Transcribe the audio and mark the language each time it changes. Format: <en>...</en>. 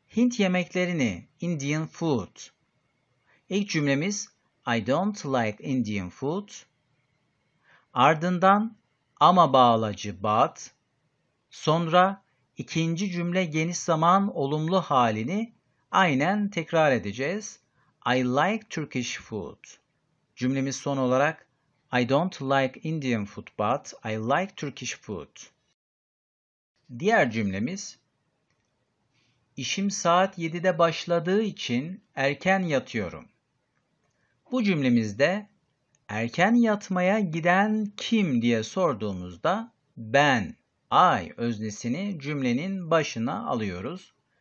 <tr>Hint yemeklerini,</tr> <en>Indian food.</en> <tr>İlk cümlemiz</tr> <en>I don't like Indian food.</en> <tr>Ardından ama bağlacı but. Sonra ikinci cümle geniş zaman olumlu halini aynen tekrar edeceğiz.</tr> <en>I like Turkish food.</en> <tr>Cümlemiz son olarak</tr> <en>I don't like Indian food but I like Turkish food.</en> <tr>Diğer cümlemiz İşim saat 7'de başladığı için erken yatıyorum. Bu cümlemizde erken yatmaya giden kim diye sorduğumuzda ben, I öznesini cümlenin başına alıyoruz.</tr>